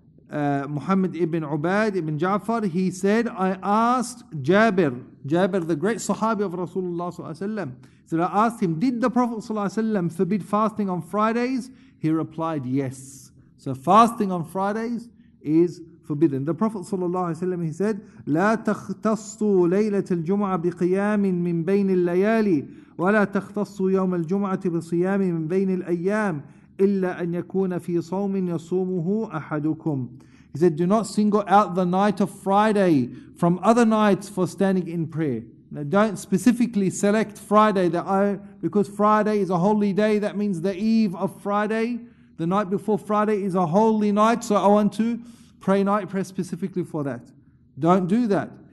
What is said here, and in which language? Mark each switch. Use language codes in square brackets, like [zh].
[en] Muhammad ibn Ubad ibn Ja'far, he said, I asked Jabir, the great Sahabi of Rasulullah sallallahu alayhi wa sallam, I asked him, did the Prophet sallallahu alayhi wa sallam forbid fasting on Fridays? He replied, yes. So fasting on Fridays is forbidden. The Prophet sallallahu alayhi wa sallam, he said, [ar] لا تختصوا ليلة الجمعة بقيام من بين الليالي ولا تختصوا يوم الجمعة بصيام من بين الأيام إِلَّا أَنْ يَكُونَ فِي صَوْمٍ يَصُومُهُ أَحَدُكُمْ. [en] He said, do not single out the night of Friday from other nights for standing in prayer. Now don't specifically select Friday, because Friday is a holy day. That means the eve of Friday, the night before Friday, is a holy night. So I want to pray night prayer specifically for that. Don't do that.